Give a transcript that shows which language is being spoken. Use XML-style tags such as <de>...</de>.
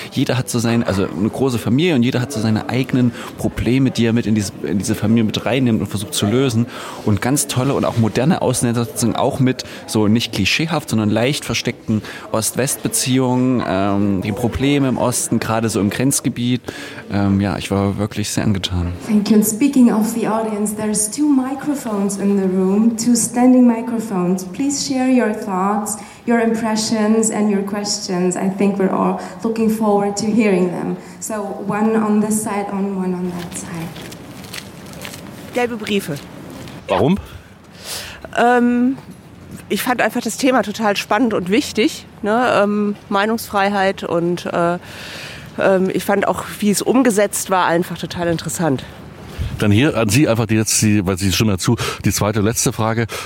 <de>Jeder hat so sein, also eine große Familie, und jeder hat so seine eigenen Probleme, die er mit in diese Familie mit reinnimmt und versucht zu lösen. Und ganz tolle und auch moderne Auseinandersetzungen, auch mit so nicht klischeehaft, sondern leicht versteckten Ost-West-Beziehungen, die Probleme im Osten, gerade so im Grenzgebiet. Ja, ich war wirklich sehr angetan.</de> <en>Thank you. And speaking of the audience, there's two microphones in the room, two standing microphones. Please share your thoughts, your impressions and your questions. I think we're all looking forward to hearing them. So one on this side and one on that side.</en> <de>Gelbe Briefe. Warum? Ich fand einfach das Thema total spannend und wichtig, ne? Meinungsfreiheit und ich fand auch, wie es umgesetzt war, einfach total interessant. Dann hier an Sie einfach weil Sie stimmen dazu, die zweite, letzte Frage.</de>